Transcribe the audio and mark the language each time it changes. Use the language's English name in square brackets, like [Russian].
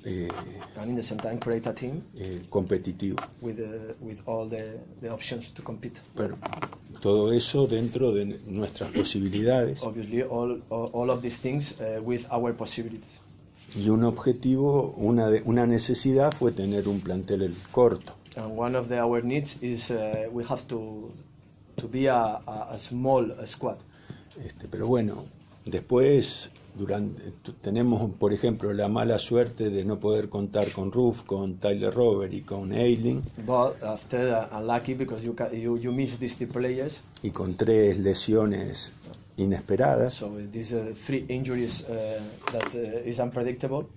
[English] and in the same time create a team [Spanish] competitivo [English] with all the options to compete. [Spanish] Pero todo eso dentro de nuestras posibilidades. [English] Obviously all of these things with our possibilities. [Spanish] Y un objetivo, una necesidad fue tener un plantel corto. [English] And one of our needs is we have to be a small squad. [Spanish] Pero bueno, después tenemos por ejemplo la mala suerte de no poder contar con Ruff, con Tyler Robert y con Ailing. [English] But after unlucky because you miss these three players. [Spanish] Y con tres lesiones inesperadas. [English] So these are three injuries that is unpredictable.